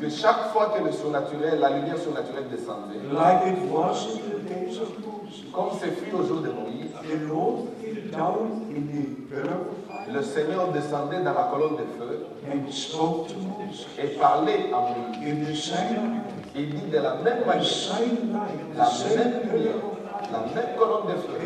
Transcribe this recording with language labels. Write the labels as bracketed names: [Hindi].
[French] que chaque fois que le surnaturel, la lumière surnaturelle descendait, [English] like it was in the days of Moses, [French] comme ce fut au jour de Moïse, [English] the Lord came down in the pillar of fire, [French] le Seigneur descendait dans la colonne de feu. [English] And spoke to Moses. [French] Et parlait à Moïse. [English] In the same way, [French] il dit de la même manière, la même colonne de feu,